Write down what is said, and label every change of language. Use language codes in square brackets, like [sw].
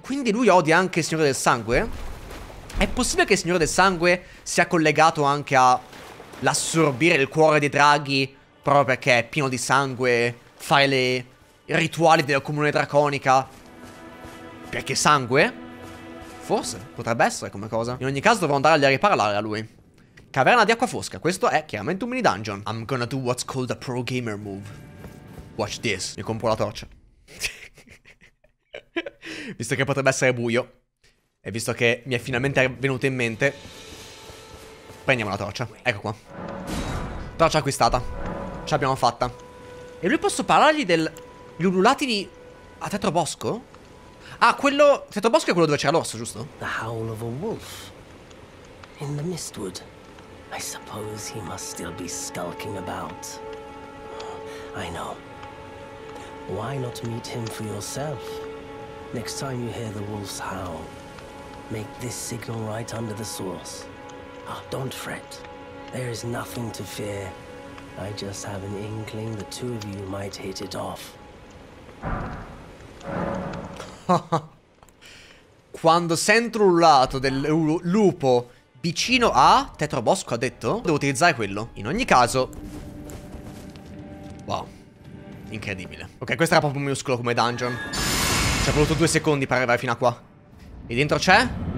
[it] Quindi lui odia anche il signore del sangue? È possibile che il signore del sangue sia collegato anche a l'assorbire il cuore dei draghi proprio perché è pieno di sangue, fare le rituali della comunione draconica? Perché sangue? Forse, potrebbe essere come cosa. In ogni caso dovrò andare a riparlare a lui. Caverna di acqua fosca. Questo è chiaramente un mini dungeon. [en] I'm gonna do what's called a pro gamer move. Watch this. [it] Mi compro la torcia. Visto che potrebbe essere buio. E visto che mi è finalmente venuto in mente. Prendiamo la torcia. Ecco qua. Torcia acquistata. Ce l'abbiamo fatta. E lui posso parlargli degli ululati di... A Tetrobosco? Ah, quello... Tetrobosco è quello dove c'era l'orso, giusto? [en] The howl of a wolf. In the Mistwood. I suppose he must still be skulking about. I know. Why not meet him for yourself? Next time you hear the wolves howl, make this signal right under the source. Ah, don't fret. There is nothing to fear. I just have an inkling the two of you might hit it off. [it] Quando sento l'ululato del lupo vicino a Tetrobosco, ha detto? Devo utilizzare quello. In ogni caso... Wow. Incredibile. Ok, questo era proprio minuscolo come dungeon. Ci ha voluto 2 secondi per arrivare fino a qua. E dentro c'è?